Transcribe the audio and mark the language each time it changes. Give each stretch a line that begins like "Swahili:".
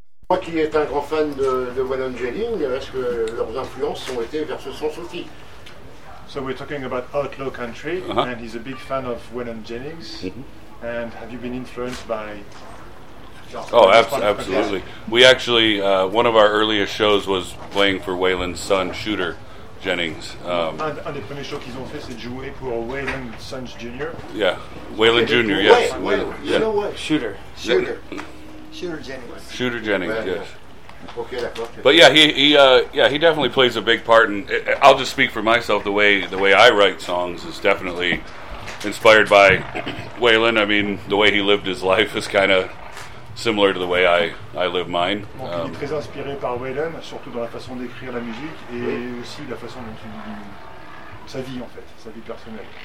French: Moi qui est un grand fan de Wallon Jelling, est-ce que leurs influences ont été vers ce sens aussi?
English: So we're talking about Outlaw Country, uh-huh. And he's a big fan of Wallon Jennings. Mm-hmm. And have you been influenced by... Oh, absolutely. We actually, one of our earliest shows was playing for Waylon's son, Shooter Jennings.
French: Un des premiers shows qu'ils ont fait, c'est jouer pour
English: Waylon's son,
French: Junior.
English: Yeah, Waylon Junior, yes. Waylon. Yeah. You know what? Shooter. Shooter Jennings. Shooter Jennings, yes. Okay. But yeah, he definitely plays a big part, and I'll just speak for myself, the way I write songs is definitely inspired by Waylon. I mean, the way he lived his life is kind of similar to the way I live mine.
French: Donc, il est très inspiré par Waylon, surtout dans la façon d'écrire la musique et aussi la façon dont il vit sa vie, en fait, sa vie personnelle.